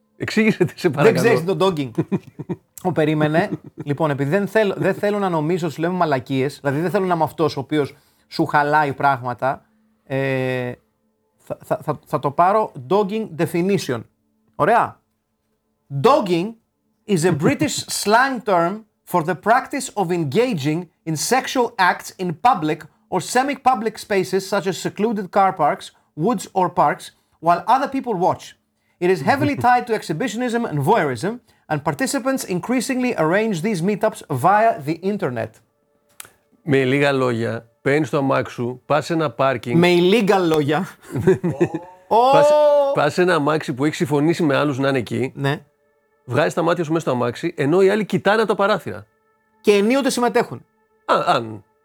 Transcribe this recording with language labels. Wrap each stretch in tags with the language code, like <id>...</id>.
<el>Εξήγησε τι, σε παρακαλώ. Δεν ξέρεις τι είναι το dogging. Ο περίμενε. Λοιπόν, επειδή δεν θέλω να νομίζω ότι σου λέμε μαλακίες, δηλαδή δεν θέλω να είμαι αυτός ο οποίος σου χαλάει πράγματα. Θα το πάρω dogging definition. Ωραία.</el> <en>Dogging is a British slang term for the practice of engaging in sexual acts in public or semi-public spaces such as secluded car parks, woods or parks, while other people watch. It is heavily tied to exhibitionism and voyeurism, and participants increasingly arrange these meetups via the internet.</en> <el>Με λίγα λόγια... Μπαίνει στο αμάξι σου, πα σε ένα πάρκινγκ. Με illegal λόγια. Πα σε ένα αμάξι που έχει συμφωνήσει με άλλου να είναι εκεί. Ναι. Βγάζει τα μάτια σου μέσα στο αμάξι, ενώ οι άλλοι κοιτάνε από τα παράθυρα. Και ενίοτε συμμετέχουν. Αν.</el>